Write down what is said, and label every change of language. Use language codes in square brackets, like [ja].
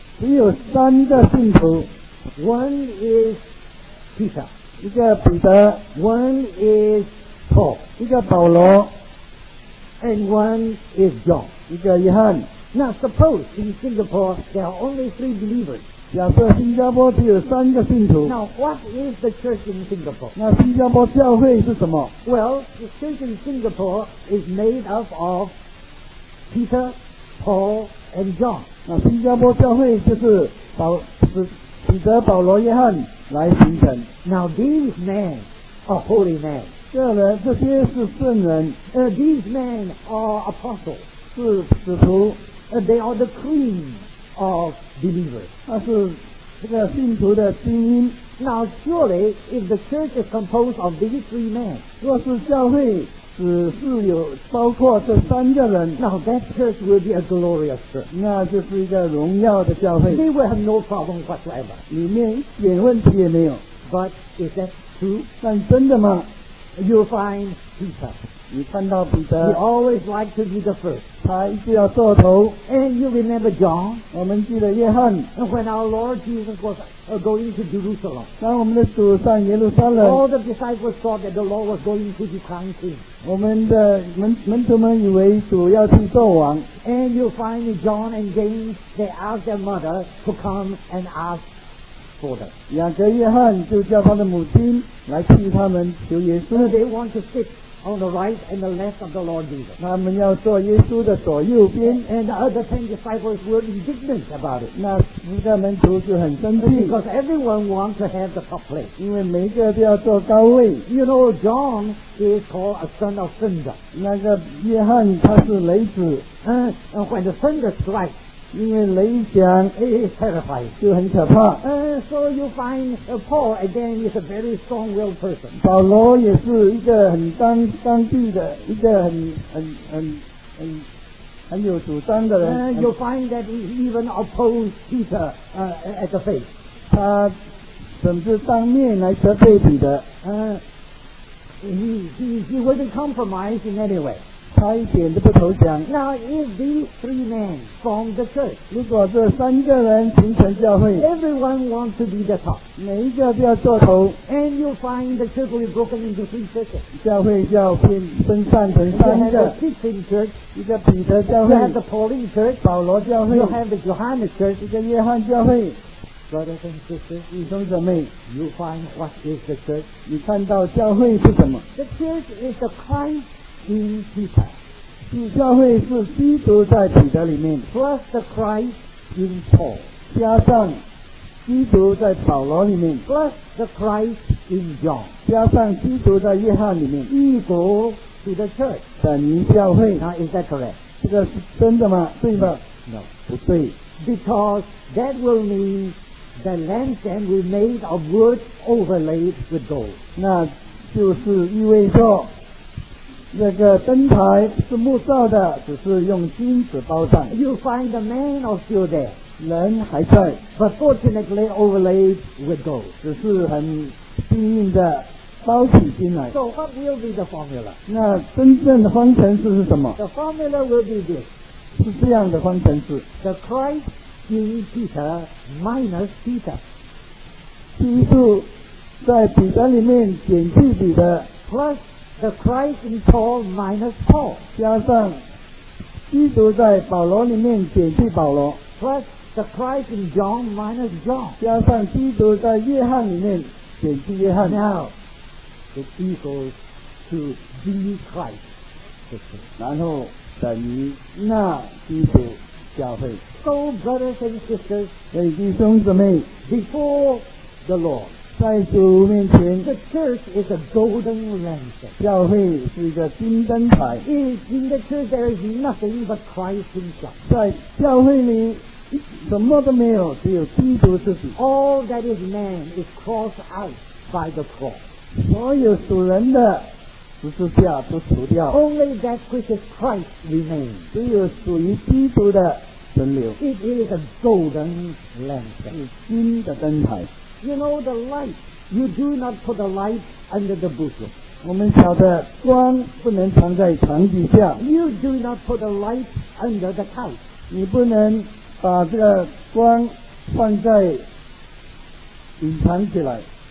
[zh] 只有三个信徒 [en] One is Peter, [zh] 一个彼得 [en] One is Paul, [zh] 一个保罗 [en] And one is John, [zh] 一个约翰 [en] Now suppose in Singapore there are only three believers. [zh] 假设新加坡只有三个信徒。 [en] Now what is the church in Singapore? [zh] 那新加坡教会是什么？ [en] Well, the church in Singapore is made up of Peter, Paul, and John. [zh] 那新加坡教会就是彼得、保罗、约翰来形成。 [en] Now these men are holy men. [zh] 这些是圣人。 [en] These men are apostles. [zh] 是使徒。 [en] They are the cream of believers. [zh] 那是这个信徒的精英。 [en] Now surely, if the church is composed of these three men, [zh] 若是教会只是有包括这三个人， [en] Now that church will be a glorious church. [zh] 那就是一个荣耀的教会。 [en] They will have no problem whatsoever. [zh] 里面一点问题也没有。 [en] But is that true? [zh] 但真的吗？ [en] You'll find Peter. [zh] 你看到彼得。 [en] He always liked to be the first. [zh] 他一直要做头。 [en] And you remember John? [zh] 我们记得约翰。 [en] When our Lord Jesus was going to Jerusalem, [zh] 当我们的主上耶路撒冷。 [en] All the disciples thought that the Lord was going to be crowned. [zh] 我们的门徒们以为主要去做王。 [en] And you find John and James, they asked their mother to come and ask. [zh] 雅各、约翰就叫他的母亲来替他们求耶稣。 [en] They want to sit on the right and the left of the Lord Jesus. [zh] 他们要坐耶稣的左右边。 [en] And the other ten disciples were indignant about it. [zh] 那十个门徒就很生气。 [en] Because everyone wants to have the top place. [zh] 因为每个都要坐高位。 [en] You know, John is called a son of thunder. [zh] 那个约翰他是雷子。 [en] When the thunder strikes. [zh] 因为雷响 [en] It is terrifying. [zh] 就很可怕。 [en] So you find Paul again is a very strong-willed person. [zh] 保罗也是一个很当地的一个很有主张的人。 [en] You find that he even opposed Peter at the face. [zh] 他甚至当面来责备彼得。 [en] He wasn't compromised in any way. [zh] 他一点都不投降。 [en] Now if these three men form the church, [zh] 如果这三个人形成教会， [en] everyone wants to be the top. [zh] 每一个都要做头。 [en] And you find the church will be broken into three churches. [zh] 教会就要分散成三个。 [en] You have the Christian church, [zh] 一个彼得教会。 [en] You have the Pauline church, [zh] 保罗教会。 [en] You have the Johannes church, [zh] 一个约翰教会。 [en] Brothers and sisters, [zh] 弟兄姊妹， [en] you find what is the church? [zh] 你看到教会是什么？ [en] The church is the Christ. In Peter. [zh] 主教会是基督在彼得里面 [en] Plus the Christ in Paul. [zh] 加上基督在保罗里面 [en] Plus the Christ in John. [zh] 加上基督在约翰里面 [en] Equal to the church. [zh] 等于教会 [en] Now is that correct? [zh] 这个是真的吗？对吗？ [en] No. [zh] 不对。 [en] Because that will mean the lampstand will be made of wood overlaid with gold. [zh] 那就是意味着那个灯台是木造的，只是用金子包上。 [en] You find the man is still there. [zh] 人还在。 [en] But fortunately overlaid with gold. [zh] 只是很幸运的包起金来。 [en] So what will be the formula? [zh] 那真正的方程式是什么？ [en] The formula will be this. [zh] 是这样的方程式。 [en] The Christ in Peter minus Peter. [zh] 基督在彼得里面减去彼得。 [en] Plus,The Christ in Paul minus Paul. [zh] 加上基督在保罗里面减去保罗。 [en] Plus the Christ in John minus John. [zh] 加上基督在约翰里面减去约翰。 [en] Now, it equals to the Christ. [zh] 然后等于那基督教会。 [en] So brothers and sisters, [zh] 所以弟兄姊妹 [en] before the Lord. [zh] 在主面前 [en] The church is a golden lantern. [zh] 教会是一个金灯台 [en] In the church there is nothing but Christ himself. [zh] 在教会里什么都没有只有基督自己 [en] All that is man is crossed out by the cross. [zh] 所有属人的十字架都除掉 [en] Only that which is Christ remains. [zh] 只有属于基督的存留 [en] It is a golden lantern. [zh] 是金的灯台 [en] You know the light. You do not put the light under the bushel. [zh] 我们晓得光不能藏在床底下。 [en] You do not put the light under the couch. [zh] 你不能把这个光放在隐藏起来。